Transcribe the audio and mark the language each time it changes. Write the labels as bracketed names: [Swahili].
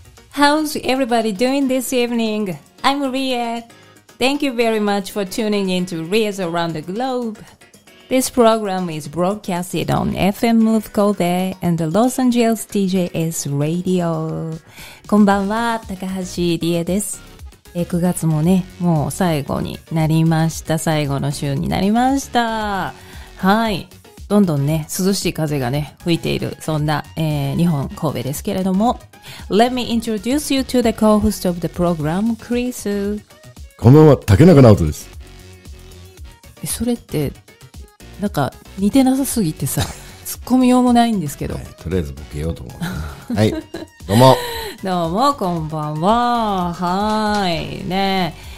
[English] How's everybody doing this evening? I'm Ria. Thank you very much for tuning in to Ria's Around the Globe. This program is broadcasted on FM of Kobe and Los Angeles TJS Radio. [Japanese] こんばんは、高橋理恵です。9月もね、もう最後になりました。最後の週になりました。はい。どんどんね、涼しい風がね、吹いている、そんな、日本神戸ですけれども。 [English] Let me introduce you to the co-host of the program, Chris. [Japanese] こんばんは、竹中直人です。それって、なんか、似てなさすぎてさ、突っ込みようもないんですけど。はい、とりあえずボケようと思う。はい、どうも。どうも、こんばんは。はい、ね。